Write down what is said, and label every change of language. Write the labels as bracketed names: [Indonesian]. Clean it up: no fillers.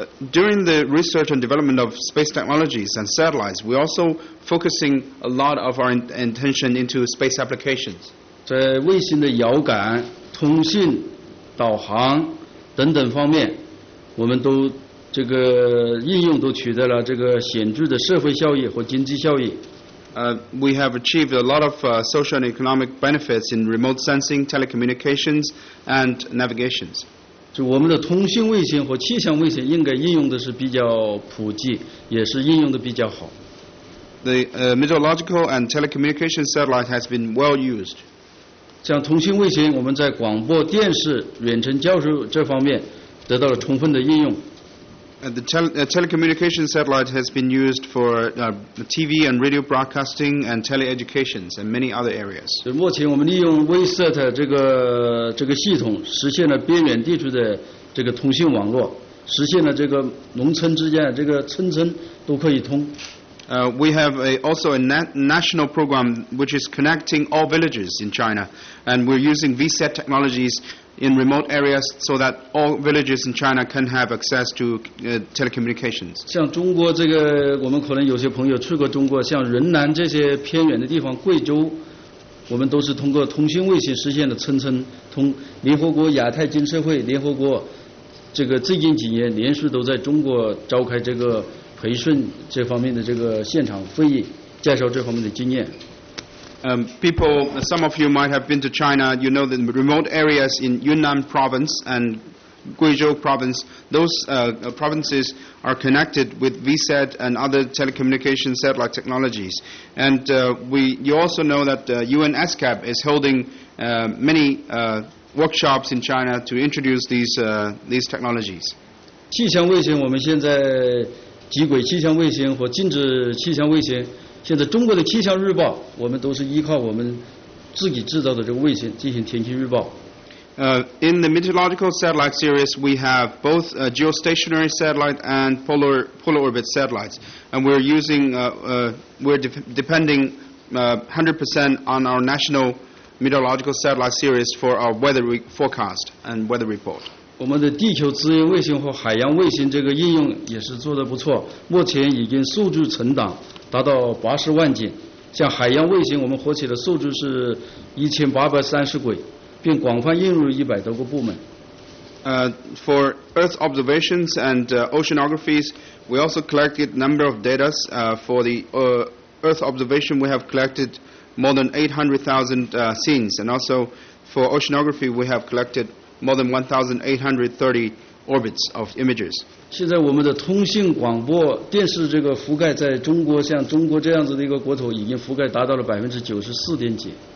[English] During the research and development of space technologies and satellites, we're also focusing a lot of our attention into space applications. [Chinese] 在卫星的遥感、通信、导航等等方面，我们都这个应用都取得了这个显著的社会效益和经济效益。 [English] We have achieved a lot of social and economic benefits in remote sensing, telecommunications, and navigations. [Chinese] 就我们的通信卫星和气象卫星应该应用的是比较普及，也是应用的比较好。 [English] The meteorological and telecommunication satellite has been well used. [Chinese] 像通信卫星，我们在广播电视、远程教授这方面得到了充分的应用。 [English] And the telecommunication satellite has been used for TV and radio broadcasting and tele-educations and many other areas. [Chinese] 目前我们利用 WeSat 这个系统实现了边远地区的这个通信网络，实现了这个农村之间这个村村都可以通。 [English] We have a national program which is connecting all villages in China, and we're using VSAT technologies in remote areas so that all villages in China can have access to telecommunications. [Chinese] 像中国这个，我们可能有些朋友去过中国，像云南这些偏远的地方，贵州，我们都是通过通信卫星实现的村村通。联合国亚太经社会、联合国，这个最近几年连续都在中国召开这个培训这方面的这个现场会议，介绍这方面的经验。 [English] Some of you might have been to China. You know the remote areas in Yunnan province and Guizhou province. Those provinces are connected with VSAT and other telecommunication satellite technologies. And you also know that UN ASCAP is holding many workshops in China to introduce these technologies. [Chinese] 气象卫星，我们现在极轨气象卫星和静止气象卫星，现在中国的气象日报，我们都是依靠我们自己制造的这个卫星进行天气日报。 [English] In the meteorological satellite series, we have both geostationary satellite and polar orbit satellites, and we're using we're depending 100% on our national meteorological satellite series for our weather forecast and weather report. [Chinese] 我们的地球资源卫星和海洋卫星这个应用也是做得不错，目前已经数据存档达到80万件。像海洋卫星，我们获取的数据是1830轨，并广泛应用于100多个部门。 [English] For Earth observations and oceanographies, we also collected number of data. For the Earth observation, we have collected more than 800,000 scenes, and also for oceanography, we have collected more than 1,830 orbits of images. [Chinese] 现在我们的通信广播电视这个覆盖在中国像中国这样子的一个国土已经覆盖达到了 94%几。